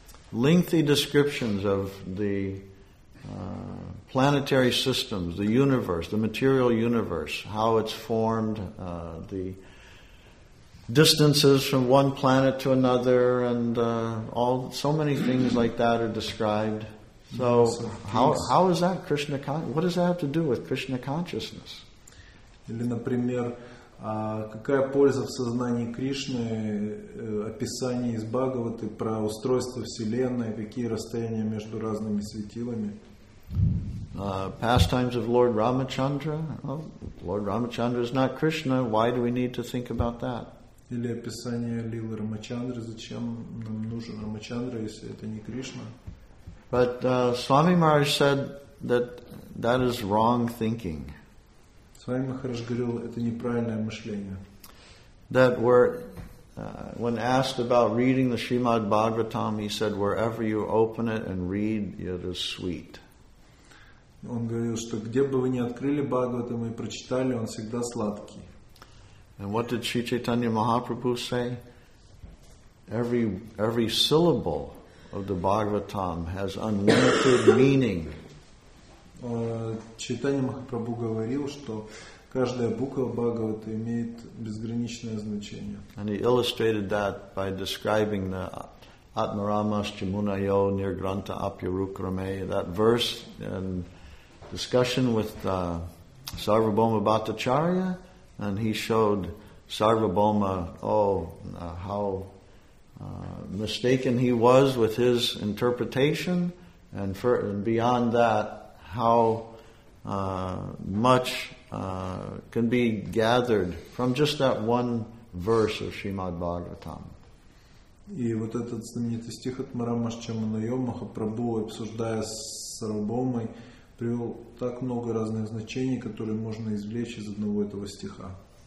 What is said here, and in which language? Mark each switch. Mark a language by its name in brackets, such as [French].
[English] Lengthy descriptions of the planetary systems, the universe, the material universe, how it's formed, the distances from one planet to another, and all so many things like that are described. So how is that Krishna? What does that have to do with Krishna consciousness? [Russian] Или, например, А какая польза в сознании Кришны, описание из Бхагаваты про устройство Вселенной, какие расстояния между разными светилами? [English] Pastimes of Lord Ramachandra. Oh, Lord Ramachandra is not Krishna. Why do we need to think about that? [Russian] Или описание Лилы Рамачандры. Зачем нам нужен Рамачандра, если это не Кришна? [English] But Swami Maharaj said that is wrong thinking. [Russian] Swami Maharaj говорил, это неправильное мышление. [English] That were when asked about reading the Srimad Bhagavatam, he said, wherever you open it and read, it is sweet. [Russian] Он говорил, что где бы вы ни открыли Бхагаватам и прочитали, он всегда сладкий. [English] And what did Sri Chaitanya Mahaprabhu say? Every syllable of the Bhagavatam has unlimited meaning. [Russian] Чайтанья Махапрабху говорил, что каждая буква Бхагавата имеет безграничное значение. [English] And he illustrated that by describing the Atmaramashchimunayo Nirgranta Apyarukrame, that verse in discussion with Sarvabhauma Bhattacharya, and he showed Sarvabhauma how mistaken he was with his interpretation, and beyond that, how much can be gathered from just that one verse of Srimad Bhagavatam. [Russian] И вот этот знаменитый стих от Марамашчаманайо Махапрабху, обсуждая с Сарвабхаумой, привел так много разных значений, которые можно извлечь из одного этого стиха.